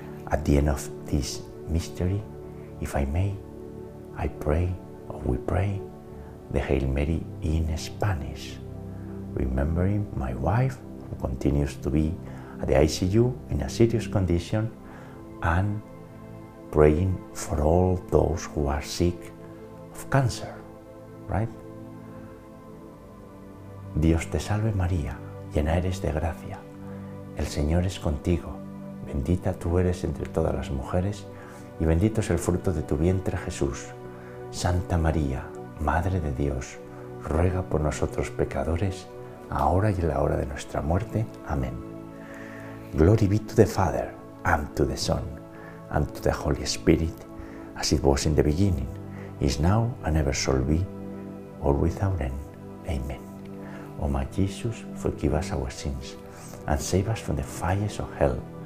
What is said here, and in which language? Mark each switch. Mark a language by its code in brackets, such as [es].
[en] At the end of this mystery, if I may, I pray, or we pray, the Hail Mary in Spanish, remembering my wife, who continues to be at the ICU in a serious condition, and praying for all those who are sick of cancer, right? [es] Dios te salve María, llena eres de gracia, el Señor es contigo, bendita tú eres entre todas las mujeres y bendito es el fruto de tu vientre Jesús. Santa María, Madre de Dios, ruega por nosotros pecadores, ahora y en la hora de nuestra muerte. Amén. [en] Glory be to the Father, and to the Son, and to the Holy Spirit, as it was in the beginning, is now, and ever shall be, all without end. Amen. O my Jesus, forgive us our sins, and save us from the fires of hell.